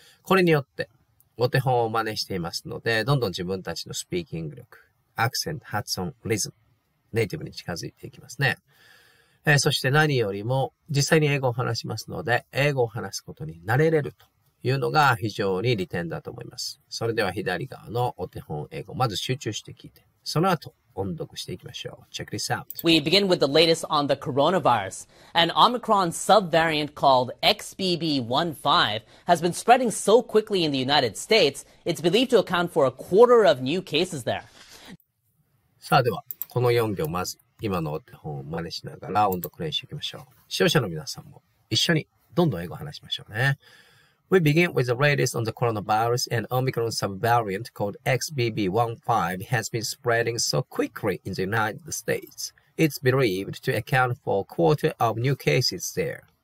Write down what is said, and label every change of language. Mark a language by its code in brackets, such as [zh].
[ja] これによって、お手本を真似していますので、どんどん自分たちのスピーキング力、アクセント、発音、リズム、ネイティブに近づいていきますね。そして何よりも実際に英語を話しますので、英語を話すことに慣れれるというのが非常に利点だと思います。それでは左側のお手本英語、まず集中して聞いて、その後音読していきましょう。 [en] Check this out. We begin with the latest on the coronavirus. An Omicron subvariant called XBB15 has been spreading so quickly in the United States, it's believed to account for a quarter of new cases there. [ja] さあではこの4行まず今のお手本を真似しながら音読練習いきましょう。視聴者の皆さんも一緒にどんどん英語を話しましょうね。 [en] We begin with the latest on the coronavirus. An Omicron subvariant called XBB15 has been spreading so quickly in the United States. It's believed to account for a quarter of new cases there.